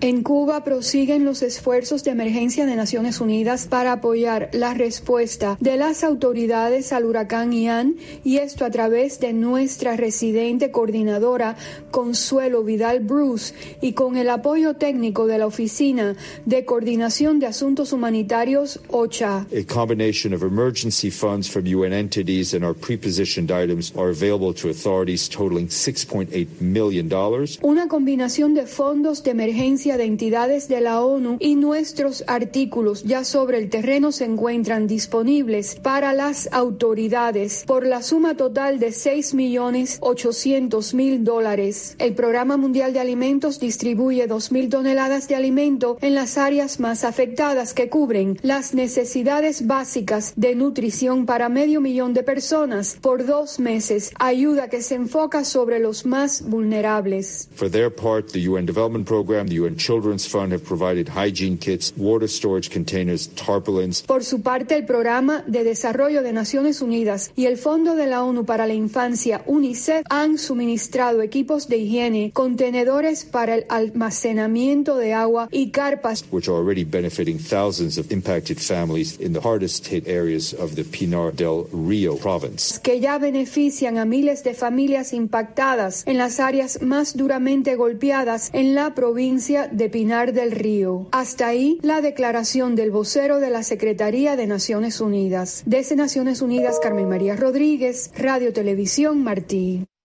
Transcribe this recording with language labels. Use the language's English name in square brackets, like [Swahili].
[Spanish] En Cuba prosiguen los esfuerzos de emergencia de Naciones Unidas para apoyar la respuesta de las autoridades al huracán Ian, y esto a través de nuestra residente coordinadora Consuelo Vidal Bruce y con el apoyo técnico de la Oficina de Coordinación de Asuntos Humanitarios, OCHA. [English] A combination of emergency funds from UN entities and our pre-positioned items are available to authorities totaling $6.8 million. [Spanish] Una combinación de fondos de emergencia de entidades de la ONU y nuestros artículos vehículos ya sobre el terreno se encuentran disponibles para las autoridades por la suma total de $6,800,000. El Programa Mundial de Alimentos distribuye 2,000 toneladas de alimento en las áreas más afectadas que cubren las necesidades básicas de nutrición para 500,000 de personas por 2 meses, ayuda que se enfoca sobre los más vulnerables. [English] For their part, the UN Development Program, the UN Children's Fund have provided hygiene kits, water storage containers, tarpaulins. [Spanish] Por su parte, el Programa de Desarrollo de Naciones Unidas y el Fondo de la ONU para la Infancia, UNICEF, han suministrado equipos de higiene, contenedores para el almacenamiento de agua y carpas, [English] which are already benefiting thousands of impacted families in the hardest hit areas of the Pinar del Río province. [Spanish] Que ya benefician a miles de familias impactadas en las áreas más duramente golpeadas en la provincia de Pinar del Río. Hasta ahí la declaración del vocero de la Secretaría de Naciones Unidas. Desde Naciones Unidas, Carmen María Rodríguez, Radio Televisión Martí.